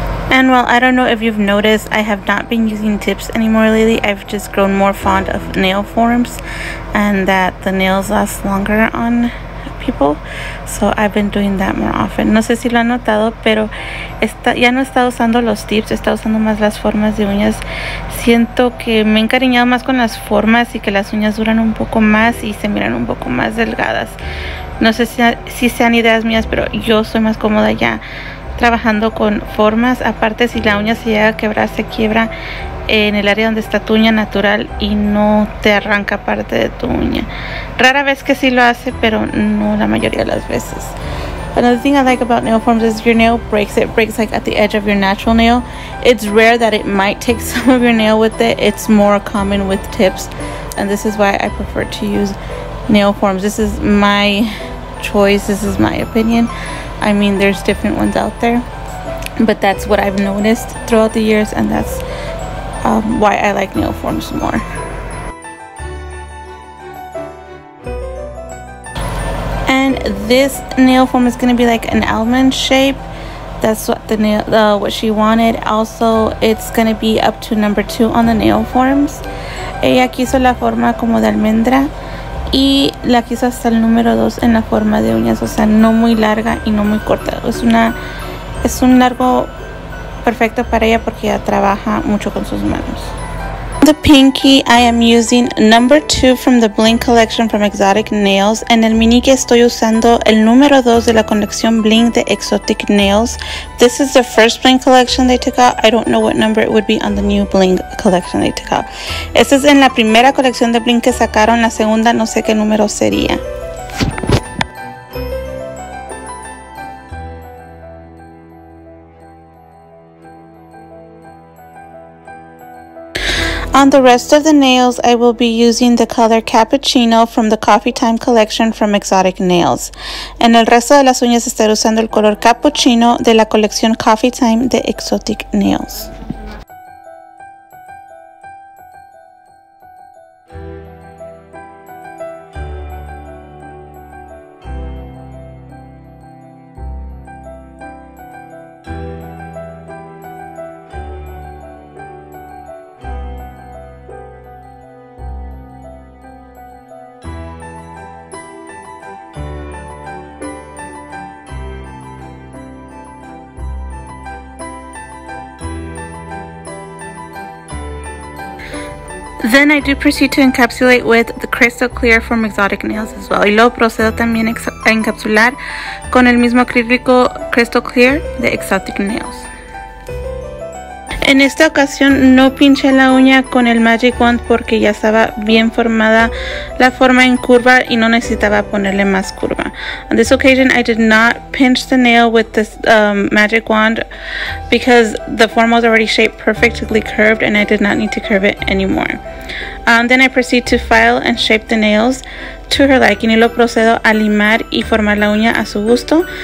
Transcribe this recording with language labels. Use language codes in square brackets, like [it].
[en] And well, I don't know if you've noticed, I have not been using tips anymore lately. I've just grown more fond of nail forms and that the nails last longer on people. So I've been doing that more often. [es] No sé si lo han notado, pero ya no he estado usando los tips, he estado usando más las formas de uñas. Siento que me he encariñado más con las formas y que las uñas duran un poco más y se miran un poco más delgadas. No sé si sean ideas mías, pero yo soy más cómoda ya trabajando con formas. Aparte, si la uña se llega a quebrar, se quiebra en el área donde está tu uña natural y no te arranca parte de tu uña. Rara vez que sí lo hace, pero no la mayoría de las veces. [en] Another thing I like about nail forms is if your nail breaks, it breaks like at the edge of your natural nail. It's rare that it might take some of your nail with it. It's more common with tips, and this is why I prefer to use nail forms. This is my choice, this is my opinion. I mean, there's different ones out there, but that's what I've noticed throughout the years, and that's why I like nail forms more. And this nail form is going to be like an almond shape. That's what the nail, what she wanted. Also, it's going to be up to number 2 on the nail forms. [es] Ella quiso la forma como de almendra. Y la quiso hasta el número 2 en la forma de uñas, o sea, no muy larga y no muy corta. Es un largo perfecto para ella porque ella trabaja mucho con sus manos. [en] The pinky, I am using number 2 from the Bling collection from Exotic Nails. [es] En el meñique estoy usando el número 2 de la colección Bling de Exotic Nails. [en] This is the first Bling collection they took out. I don't know what number it would be on the new Bling collection they took out. [es] Este es en la primera colección de Bling que sacaron, la segunda no sé qué número sería. [en] On the rest of the nails, I will be using the color Cappuccino from the Coffee Time collection from Exotic Nails. [es] En el resto de las uñas estaré usando el color Cappuccino de la colección Coffee Time de Exotic Nails. [en] Then I do proceed to encapsulate with the crystal clear from Exotic Nails as well. [es] Y luego procedo también a encapsular con el mismo acrílico crystal clear de Exotic Nails. En esta ocasión no pinché la uña con el magic wand porque ya estaba bien formada la forma en curva y no necesitaba ponerle más curva. [en] On this occasion, I did not pinch the nail with this magic wand because the form was already shaped perfectly curved and I did not need to curve it anymore. Then I proceed to file and shape the nails to her liking. [es] Y lo procedo a limar y formar la uña a su gusto.